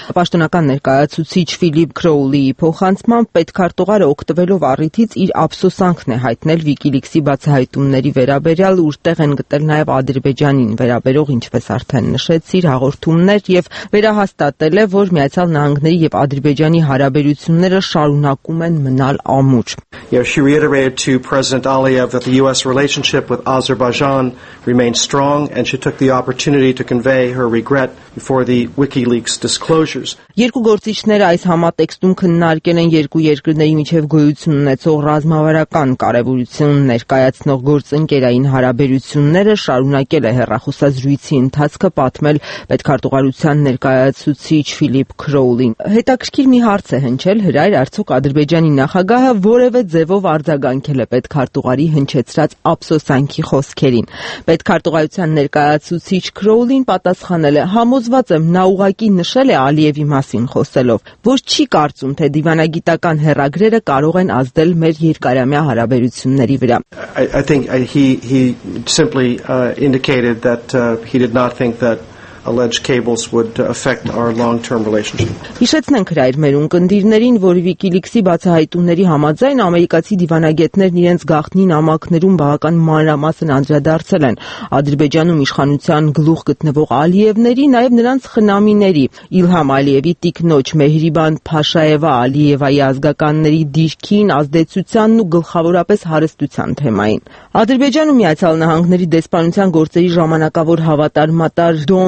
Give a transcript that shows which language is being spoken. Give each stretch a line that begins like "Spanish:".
Armenian: պաշտոնական ներկայացուցիչ Ֆիլիպ Քրոուլիի փոխանցմամբ պետքարտուղարը օգտվելով առիթից իր ափսոսանքն է հայտնել WikiLeaks-ի բացահայտումների վերաբերյալ, ուրտեղ են գտել նաև Ադրբեջանին վերաբերող, ինչպես արդեն նշեցիր, հաղորդումներ և վերահաստատել է, որ Միացյալ Նահանգների և Ադրբեջանի հարաբերությունները շարունակում են մնալ ամուր։
English: Yeah, she reiterated to President Aliyev that the U.S. relationship with Azerbaijan remains strong, and she took the opportunity to convey her regret before the WikiLeaks disclosures.
Armenian: Երկու գործիչները այս համատեքստում քննարկել են երկու երկրների միջև գոյություն ունեցող ռազմավարական կարևորություն ներկայացնող գործընկերային Ադրբեջանին հարաբերությունները շարունակել է հեռախոսած զրույցի ընթացքը պատմել պետքարտուղարության ներկայացուցիչ Ֆիլիպ Քրոուլին։ Հետաքրքիր մի հարց է հնչել հրայր, արդյոք Ադրբեջանի նախագահը որևէ ձևով արձագանքել է պետքարտուղարի հնչեցրած ափսոսանքի խոսքերին։ Պետքարտուղարության ներկայացուցիչ Քրոուլին պատասխանել է. «Համոզված եմ, նա ուղղակի նշել է Ալիևի մասին խոսելով, որ չի կարծում, թե դիվանագիտական հերագրերը կարող են ազդել մեր երկարամյա հարաբերությունների վրա»։
English: I think he simply indicated that he did not think that alleged cables would affect our long-term relationship.
Armenian: Իշեցնենք հրայր մեր ունկնդիրներին, որ WikiLeaks-ի բացահայտումների համաձայն ամերիկացի դիվանագետներն իրենց գաղտնի նամակներում բավական մանրամասն են անդրադարձել են Ադրբեջանում իշխանության գլուխ գտնվող Ալիևների, նաև նրանց խնամիների՝ Իլհամ Ալիևի տիկնոջ Մեհրիբան Փաշաևա Ալիևայի ազգականների դիրքին, ազդեցությանն ու գլխավորապես հարստության թեմային։ Ադրբեջանում Միացյալ Նահանգների դեսպանության գործերի ժամանակավոր հավատար մատար